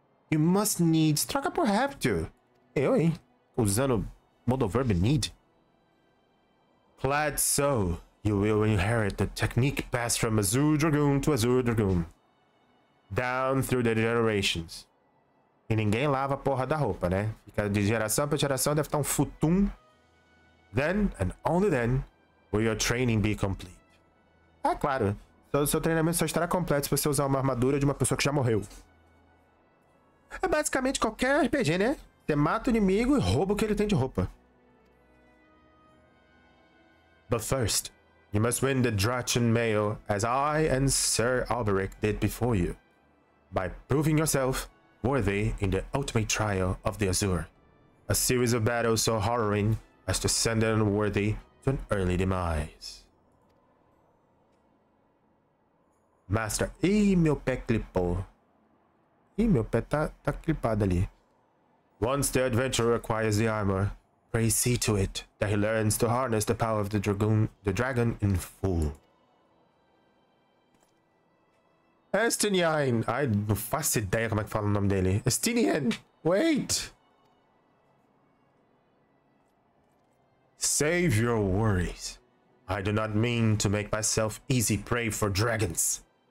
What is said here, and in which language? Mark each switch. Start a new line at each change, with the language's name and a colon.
English: You must needs,
Portuguese: troca por
English: have to.
Portuguese: Eu, hein? Usando
English: modal verb need. Clad so. You will inherit the technique passed from Azure Dragoon to Azure Dragoon. Down through the generations.
Portuguese: E ninguém lava a porra da roupa, né? Fica de geração para geração, deve estar um futum.
English: Then, and only then, will your training be complete.
Portuguese: Ah, claro. Seu treinamento só estará completo se você usar uma armadura de uma pessoa que já morreu. É basicamente qualquer RPG, né? Você mata o inimigo e rouba o que ele tem de roupa.
English: But first, You must win the Drachen Mail as I and Sir Alberic did before you, by proving yourself worthy in the ultimate trial of the Azure. A series of battles so harrowing as to send an unworthy to an early demise.
Portuguese: Master, e meu pé clipou. E meu pé tá clipado ali.
English: Once the adventurer acquires the armor, pray see to it that he learns to harness the power of the dragon in full. Estinian!
Portuguese: I não faço ideia como é que fala o nome dele.
English: Estinian! Wait! Save your worries. I do not mean to make myself easy prey for dragons.